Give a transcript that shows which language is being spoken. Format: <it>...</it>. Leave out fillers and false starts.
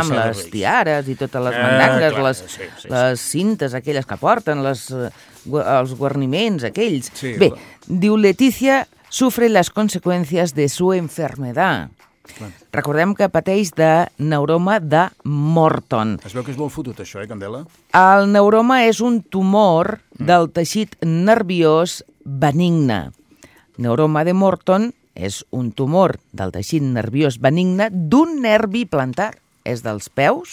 <ca>amb les tiares i totes les mandangues, les cintes aquelles que porten, els guarniments aquells. Sí, bé, diu Letícia...</ca> <es>Sufre las consecuencias de su enfermedad.</es> <ca>Bueno. Recordem que pateix de neuroma de Morton. Es veu que és molt fotut, això, Candela? El neuroma és un tumor del teixit nerviós benigne. Neuroma de Morton és un tumor del teixit nerviós benigne d'un nervi plantar. És dels peus.</ca>